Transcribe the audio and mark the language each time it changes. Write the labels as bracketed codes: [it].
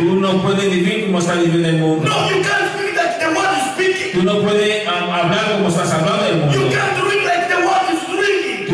[es] Tú no puedes vivir como está viviendo el mundo. [en] No, you can't speak like the world is speaking. [es] Tú no puedes hablar como estás hablando el mundo. [en] You can't drink like the world is drinking.